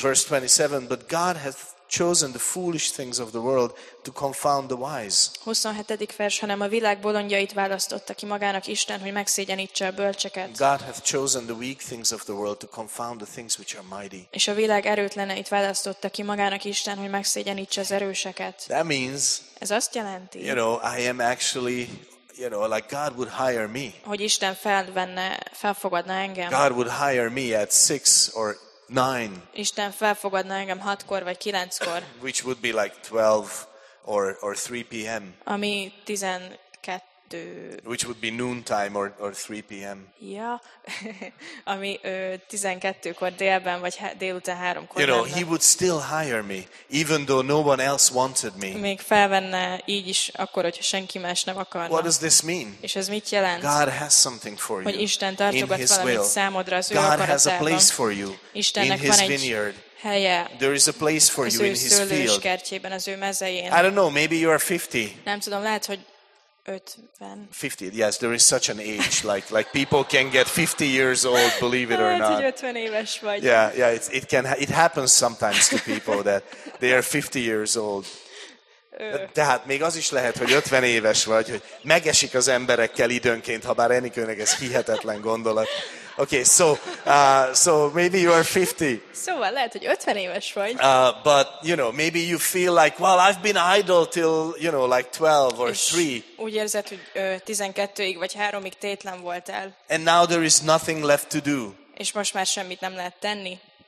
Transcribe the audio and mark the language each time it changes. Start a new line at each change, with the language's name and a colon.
English: Verse 27, but God hath chosen the foolish things of the world to confound the wise.
Hungarian: 27. vers, hanem a világ bolondjait választotta ki magának Isten, hogy megszégyenítse a bölcseket.
English: God hath chosen the weak things of the world to confound the things which are mighty.
Hungarian: És a világ erőtleneit választotta ki magának Isten, hogy megszégyenítse az erőseket.
English: That means,
Hungarian: ez azt jelenti,
English: you know, I am actually, you know, like God would hire me.
Hungarian: Hogy Isten felvenne, felfogadna engem.
English: God would hire me at 6 or 9.
Hungarian: Isten felfogadna engem 6-kor vagy 9-kor.
English: Which would be like 12 or 3 p.m.
Hungarian: Ami 12.
English: Which would be noon time or 3 p.m.
Hungarian: Ja. Ami 12-kor délben vagy délután 3-kor.
English: You know, he would still hire me even though no one else wanted me.
Hungarian: Még felvenne így is akkor, hogyha senki más nem akarna.
English: What does this mean?
Hungarian: És ez mit jelent?
English: God has something for you.
Hungarian: Hogy Isten tartogat valamit számodra az ő akaratában.
English: God has a place for you.
Hungarian: Istennek
English: in his vineyard.
Hungarian: Helye.
English: There is a place for
Hungarian: az
English: you in his field.
Hungarian: Kertjében, az ő mezején.
English: I don't know, maybe you are 50.
Hungarian: Nem tudom, lehet, hogy 50.
English: 50, yes, there is such an age. Like people can get 50 years old, believe it or not.
Hungarian: 50 éves vagy.
English: Yeah, it happens sometimes to people that they are 50 years old.
Hungarian: Tehát még az is lehet, hogy 50 éves vagy, hogy megesik az emberekkel időnként, ha bár Enikőnek ez hihetetlen gondolat.
English: Okay, so maybe you are 50.
Hungarian: Szóval lehet, hogy 50 éves vagy.
English: But you know, maybe you feel like, well, I've been idle till, you know, like 12 or 3.
Hungarian: Úgy érzed, hogy 12-ig vagy 3-ig tétlen voltál.
English: And now there is nothing left to do.
Hungarian: És most már semmit nem lehet tenni.